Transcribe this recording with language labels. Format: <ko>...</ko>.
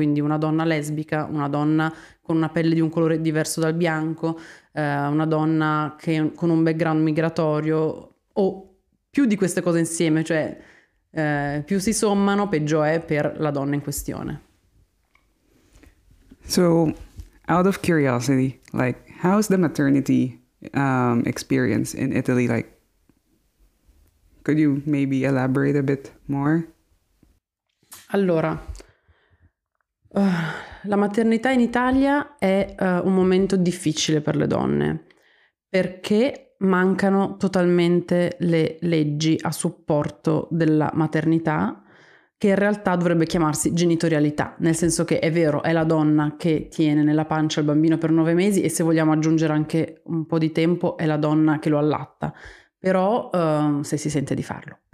<it>Quindi una donna lesbica, una donna con una pelle di un colore diverso dal bianco, una donna con un background migratorio, o più di queste cose insieme, cioè più si sommano, peggio è per la donna in questione.</it> <en>So, out of curiosity, like, how's the maternity experience in Italy? Like, could you maybe elaborate a bit more?</en> <it>Allora, la maternità in Italia è un momento difficile per le donne perché mancano totalmente le leggi a supporto della maternità, che in realtà dovrebbe chiamarsi genitorialità, nel senso che è vero, è la donna che tiene nella pancia il bambino per 9 mesi, e se vogliamo aggiungere anche un po' di tempo, è la donna che lo allatta, però, se si sente di farlo.</it>